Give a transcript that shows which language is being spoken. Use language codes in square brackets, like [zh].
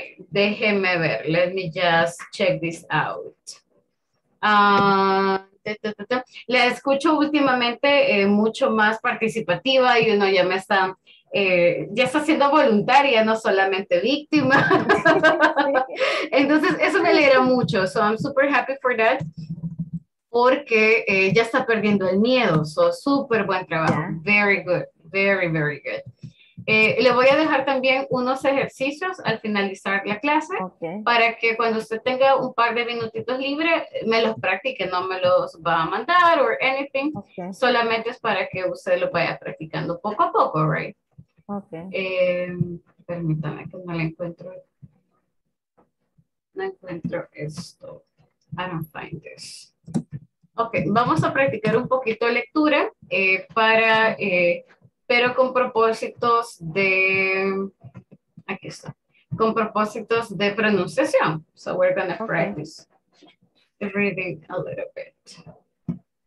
[es] Déjeme ver, [en] let me just check this out. [es] La escucho últimamente mucho más participativa y uno ya me está... ya está siendo voluntaria, no solamente víctima. Entonces, eso me alegra mucho. [en] So, I'm super happy for that. [es] Porque ya está perdiendo el miedo. So, super buen trabajo. [en] Very good. Very, very good. [es] Le voy a dejar también unos ejercicios al finalizar la clase para que cuando usted tenga un par de minutitos libre, me los practique, no me los va a mandar [en] or anything. [es] Okay. Solamente es para que usted lo vaya practicando poco a poco, right? [en] Okay. [es] Permítame que no le encuentro. No encuentro esto. [en] I don't find this. [es] Ok, vamos a practicar un poquito lectura para... pero con propósitos de, aquí está, con propósitos de pronunciación. [en] So we're gonna practice reading a little bit.